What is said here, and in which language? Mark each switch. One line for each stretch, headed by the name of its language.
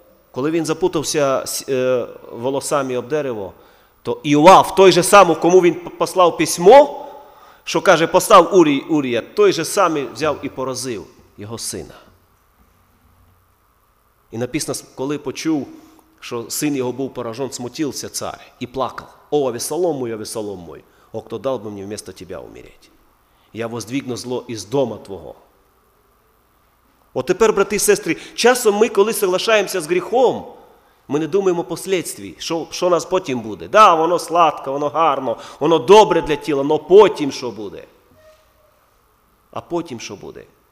Ukrainian: Коли він запутався волосами об дерево, то Іоав, той же самий, кому він послав письмо, що каже, послав Урія, той же самий взяв і поразив його сина. І написано, коли почув, що син його був поражен, смутився цар і плакав.
Russian: О, Авесалом мой, «О, кто дал бы мне вместо тебя умереть? Я воздвигну зло из дома твого».
Ukrainian: От тепер, брати і сестри, часом ми, коли соглашаємося з гріхом, ми не думаємо последствій, що нас потім буде. Да, воно сладке, воно гарно, воно добре для тіла, але потім що буде? А потім що буде?